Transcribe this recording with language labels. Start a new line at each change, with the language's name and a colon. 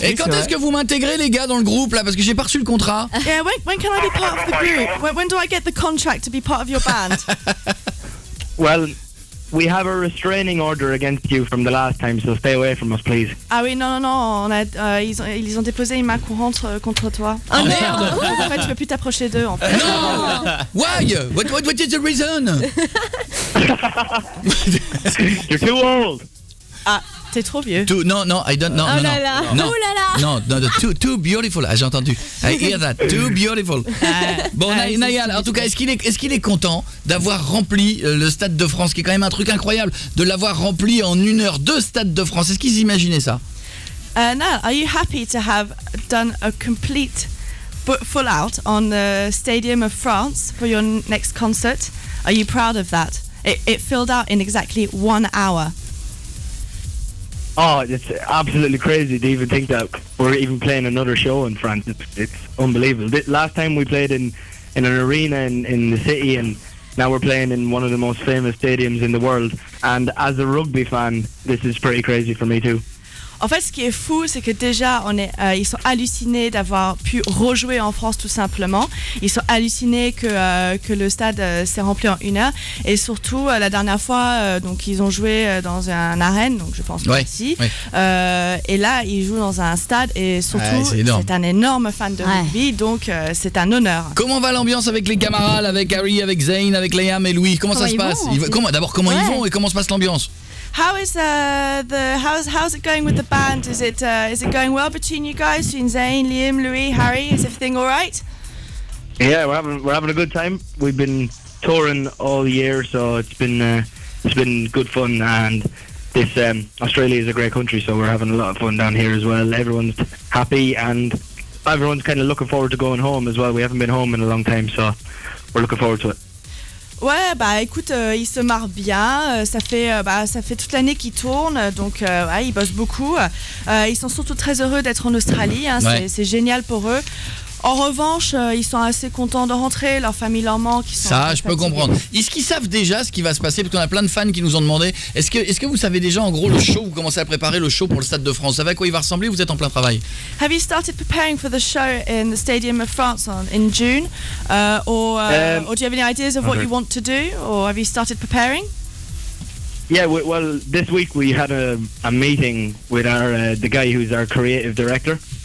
French: Et quand est-ce que vous m'intégrez, les gars, dans le groupe là? Parce que j'ai pas reçu le contrat.
English: Yeah, when can I be part of the group? When do I get the contract to be part of your band? Well. We have a restraining order against you from the last time, so stay away from us, please.
French: Ah oui, non, on a, ils ont déposé une main courante contre toi. Oh merde. En fait, tu peux plus t'approcher d'eux, en fait. Non.
English: Why? What is the reason? You're too old.
French: Ah, t'es trop vieux.
English: Too beautiful,
French: j'ai entendu.
English: I hear that, too beautiful.
French: Bon, Niall, en tout cas, est-ce qu'il est content d'avoir rempli le Stade de France, qui est quand même un truc incroyable, de l'avoir rempli en 1 heure, 2 Stades de France, est-ce qu'ils imaginaient ça?
English: Niall, are you happy to have done a complete full out on the Stadium of France for your next concert? Are you proud of that? It filled out in exactly 1 hour. Oh, it's absolutely crazy to even think that we're even playing another show in France. It's unbelievable. Last time we played in an arena in the city, and now we're playing in one of the most famous stadiums in the world. And as a rugby fan, this is pretty crazy for me too.
French: En fait, ce qui est fou, c'est que déjà, ils sont hallucinés d'avoir pu rejouer en France tout simplement. Ils sont hallucinés que le stade s'est rempli en 1 heure. Et surtout, la dernière fois, donc, ils ont joué dans un arène, donc je pense ouais, ici. Ouais. Et là, ils jouent dans un stade. Et surtout, c'est un énorme fan de rugby, ouais. Donc c'est un honneur. Comment va l'ambiance avec les camarades, avec Harry, avec Zane, avec Liam et Louis? Comment ça se passe l'ambiance?
English: How is how's it going with the band? Is it going well between you guys, between Zane, Liam, Louis, Harry? Is everything all right? Yeah, we're having a good time. We've been touring all year, so it's been good fun. And this Australia is a great country, so we're having a lot of fun down here as well. Everyone's happy and everyone's kind of looking forward to going home as well. We haven't been home in a long time, so we're looking forward to it.
French: Ouais, bah écoute, ils se marrent bien, ça fait toute l'année qu'ils tournent, donc ouais, ils bossent beaucoup. Ils sont surtout très heureux d'être en Australie, hein, ouais. c'est génial pour eux. En revanche, ils sont assez contents de rentrer, leur famille leur manque. Ça, je peux comprendre. Est-ce qu'ils savent déjà ce qui va se passer? Parce qu'on a plein de fans qui nous ont demandé, est-ce que vous savez déjà en gros le show, vous commencez à préparer le show pour le Stade de France, vous savez à quoi il va ressembler ou vous êtes en plein travail?
English: Have you started preparing for the show in the Stadium of France in June? Or do you have any ideas of what you want to do? Or have you started preparing? Yeah, well, this week we had a meeting with the guy who's our creative director.